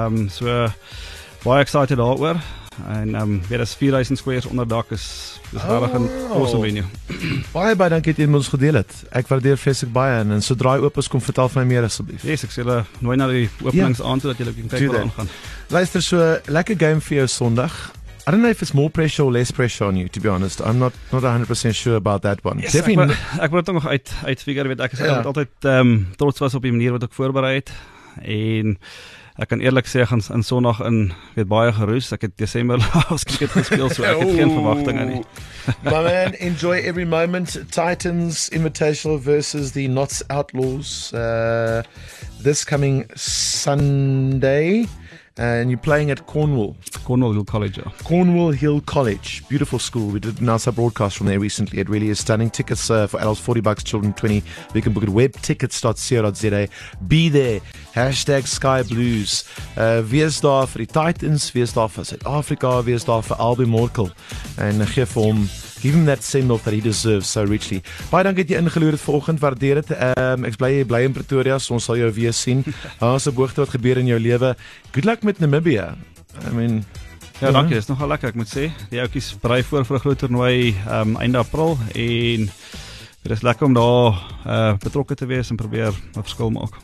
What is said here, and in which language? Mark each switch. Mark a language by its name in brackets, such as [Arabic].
[Afrikaans] So baie excited daaroor. En weer is 4000 squares onder dak is regtig 'n [English] awesome venue. [Afrikaans] Baie dankie dat jy ons gedeel het. Ek waardeer vreeslik baie en sodra jy oop is kom vertel vir my meer asseblief. Yes, ek sê hulle nooi na die openingsaand dat jy kan kyk hoe dit gaan. Luister, so lekker game vir jou Sondag. [English] I don't know if it's more pressure or less pressure on you, to be honest. I'm not 100% sure about that one. Yes, definitely. [Afrikaans] Ek wil toch nog uitfigure, weet ek is yeah. altyd trots was op die manier wat ek voorberei het en ek kan eerlik sê, ek gaan in Sondag in, weet, baie geroes. Ek het December last cricket gespeel, so ek het geen verwagtinge nie. [English] My man, enjoy every moment. Titans Invitational versus the Notts Outlaws this coming Sunday. And you're playing at Cornwall Hill College. Beautiful school. We did announce our broadcast from there recently. It really is stunning. Tickets for adults, $40, children, $20. We can book it webtickets.co.za. Be there. Hashtag Sky Blues. [Afrikaans] Wees daar vir die Titans. Wees daar vir Suid-Afrika. Wees daar vir Albie Morkel. [English] And give him that send-off that he deserves so richly. [Afrikaans] Baie dankie dat jy ingeloer het vanoggend. Waardeer dit. Ek bly in Pretoria. So ons sal jou weer sien. Daar's 'n hoogte wat gebeur in jou lewe. [English] Good luck met Namibia. I mean, [Afrikaans] ja, dankie. Dit is nogal lekker, ek moet sê. Die ouetjies berei voor vir 'n groot toernooi einde April en dit is lekker om daar betrokke te wees en probeer 'n verskil maak.